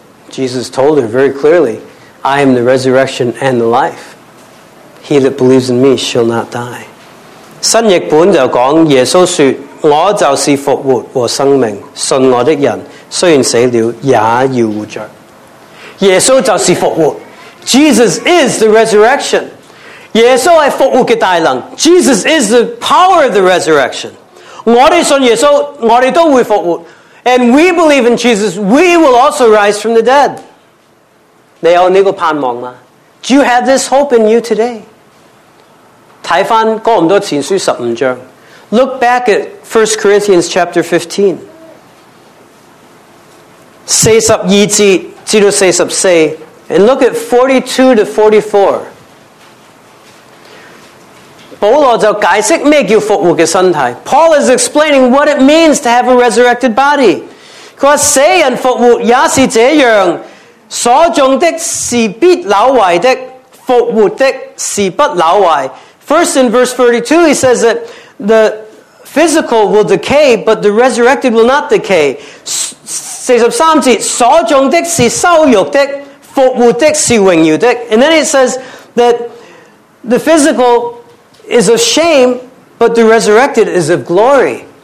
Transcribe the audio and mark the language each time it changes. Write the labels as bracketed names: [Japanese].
[English] Jesus told her very clearly, I am the resurrection and the life. He that believes in me shall not die. [Chinese] 新译本就讲，耶稣说：我就是复活和生命，信我的人虽然死了，也要活着。耶稣就是复活。 [English] Jesus is the resurrection. [Chinese] 耶稣是复活的大能, [English] Jesus is the power of the resurrection. [Chinese] 我们信耶稣, 我们都会复活, [English] and we believe in Jesus, we will also rise from the dead. [Chinese] 你有这个盼望吗? [English] Do you have this hope in you today? [Chinese] 看回《哥林多前书》15章, [English] look back at 1 Corinthians chapter 15. [Chinese] 42至44, [English] and look at 42 to 44. [Chinese] 保罗就解释什么叫复活的身体。 [English] Paul is explaining what it means to have a resurrected body. [Chinese] 他说：死人复活也是这样，所中的是必朽坏的，复活的是不朽坏。 [English] First in verse 42 he says that the physical will decay, but the resurrected will not decay. [Chinese] 43节，所中的是羞辱的，复活的是荣耀的。 [English] And then it says that the physical is of shame, but the resurrected is of glory.